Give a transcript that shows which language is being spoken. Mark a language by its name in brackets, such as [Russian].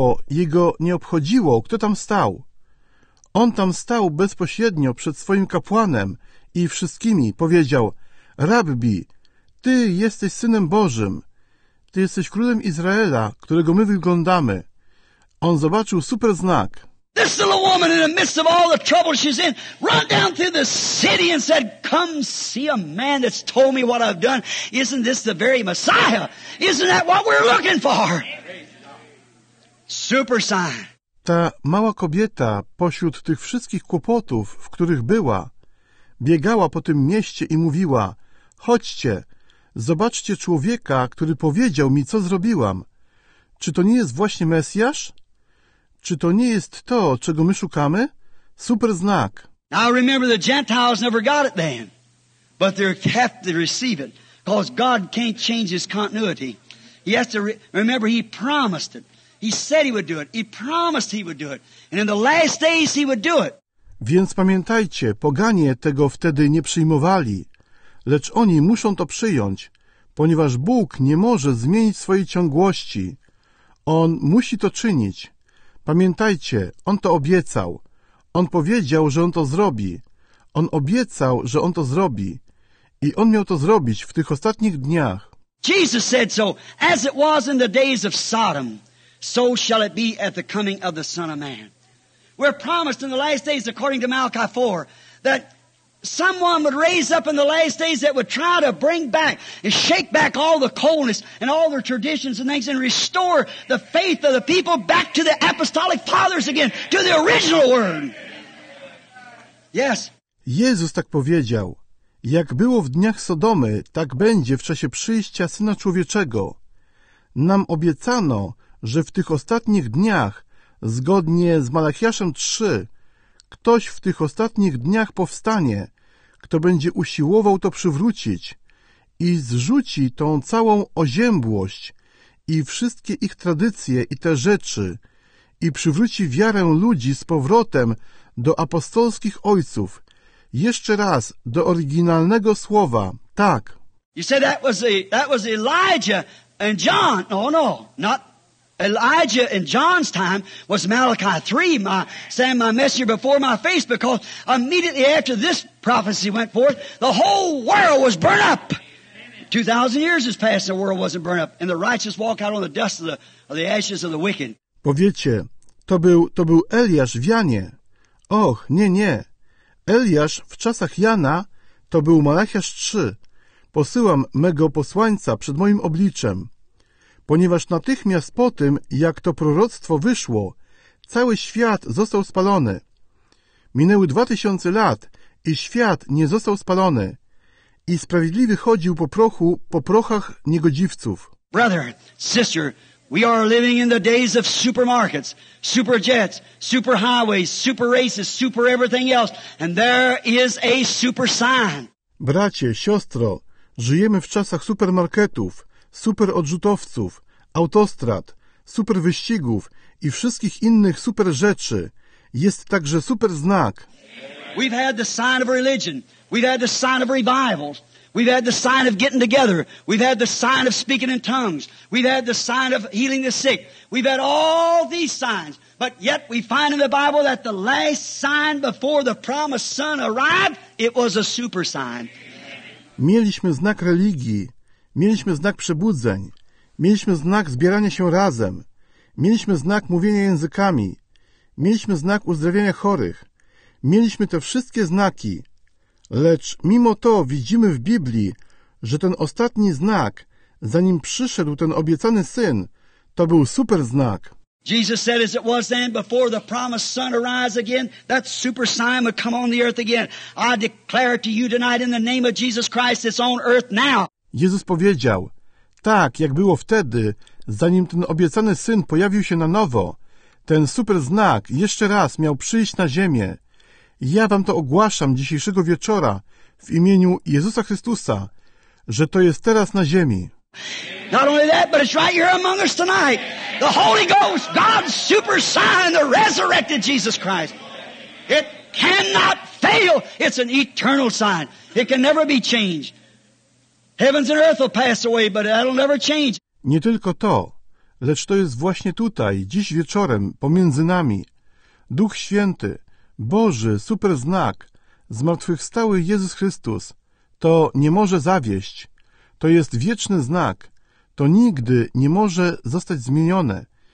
[Polish] Jego nie obchodziło, kto tam stał. On tam stał bezpośrednio przed swoim kapłanem i wszystkimi. Powiedział, Rabbi, ty jesteś Synem Bożym. Ty jesteś królem Izraela, którego my wyglądamy. On zobaczył super znak. [English] This little woman in the midst of all the trouble she's in run down through the city and said, come see a man that's told me what I've done. Isn't this the very Messiah? Isn't that what we're looking for? Super sign. [Polish] Ta mała kobieta pośród tych wszystkich kłopotów, w których była, biegała po tym mieście i mówiła, chodźcie, zobaczcie człowieka, który powiedział mi, co zrobiłam. Czy to nie jest właśnie Mesjasz? Czy to nie jest to, czego my szukamy? Super znak. [English] Now remember, the Gentiles never got it then. But they have to receive it. Because God can't change his continuity. He has to remember, he promised it. He said he would do it. He promised he would do it. And in the last days he would do it. [Polish] Więc pamiętajcie, poganie tego wtedy nie przyjmowali. Lecz oni muszą to przyjąć, ponieważ Bóg nie może zmienić swojej ciągłości. On musi to czynić. Pamiętajcie, on to obiecał. On powiedział, że on to zrobi. On obiecał, że on to zrobi. I on miał to zrobić w tych ostatnich dniach. [English] Jesus said so, as it was in the days of Sodom, so shall it be at the coming of the Son of Man. We're promised in the last days, according to Malachi 4, that someone would raise up in the last days that would try to bring back and shake back all the coldness and all their traditions and things and restore the faith of the people back to the apostolic fathers again, to the original word. Yes. [Polish] Jezus tak powiedział, jak było w dniach Sodomy, tak będzie w czasie przyjścia Syna Człowieczego. Nam obiecano, że w tych ostatnich dniach, zgodnie z Malachiaszem 3, ktoś w tych ostatnich dniach powstanie, kto będzie usiłował to przywrócić i zrzuci tą całą oziębłość i wszystkie ich tradycje i te rzeczy i przywróci wiarę ludzi z powrotem do apostolskich ojców. Jeszcze raz do oryginalnego słowa. Tak. [English] You said that was Elijah and John. No, not Elijah in John's time was Malachi 3, saying my messenger before my face, because immediately after this prophecy went forth, the whole world was burnt up. 2,000 years has passed, the world wasn't burnt up, and the righteous walk out on the dust of the ashes of the wicked. [Polish] Powiecie, to był Eliasz w Janie. Och, nie, nie. Eliasz w czasach Jana to był Malachiasz 3. Posyłam mego posłańca przed moim obliczem. Ponieważ natychmiast po tym, jak to proroctwo wyszło, cały świat został spalony. Minęły 2000 lat i świat nie został spalony. I sprawiedliwy chodził po prochach niegodziwców. [English] Brother, sister, we are living in the days of supermarkets, super jets, super highways, super races, super everything else, and there is a super sign. [Polish] Bracie, siostro, żyjemy w czasach supermarketów, super odrzutowców, autostrad, super wyścigów i wszystkich innych super rzeczy. Jest także super znak. [English] We've had the sign of religion. We've had the sign of revivals. We've had the sign of getting together. We've had the sign of speaking in tongues. We've had the sign of healing the sick. We've had all these signs. But yet we find in the Bible that the last sign before the promised son arrived, it was a super sign. [Polish] Mieliśmy znak religii. Mieliśmy znak przebudzeń. Mieliśmy znak zbierania się razem. Mieliśmy znak mówienia językami. Mieliśmy znak uzdrawiania chorych. Mieliśmy te wszystkie znaki. Lecz mimo to widzimy w Biblii, że ten ostatni znak, zanim przyszedł ten obiecany syn, to był super znak. [English] Jesus said, as it was then, before the promised son arise again, that super sign would come on the earth again. I declare to you tonight in the name of Jesus Christ, it's on earth now. [Polish] Jezus powiedział, tak jak było wtedy, zanim ten obiecany syn pojawił się na nowo, ten super znak jeszcze raz miał przyjść na ziemię. Ja wam to ogłaszam dzisiejszego wieczora w imieniu Jezusa Chrystusa, że to jest teraz na ziemi. [English] Not only that, but it's right here among us tonight. The Holy Ghost, God's super sign, the resurrected Jesus Christ. It cannot fail. It's an eternal sign. It can never be changed. Heavens and earth will pass away, but that'll never change. [Polish] Nie tylko to, lecz to jest właśnie tutaj, dziś wieczorem, pomiędzy nami. Duch Święty, Boży, super znak, zmartwychwstały Jezus Chrystus, to nie może zawieść. To jest wieczny znak. To nigdy nie może zostać zmienione.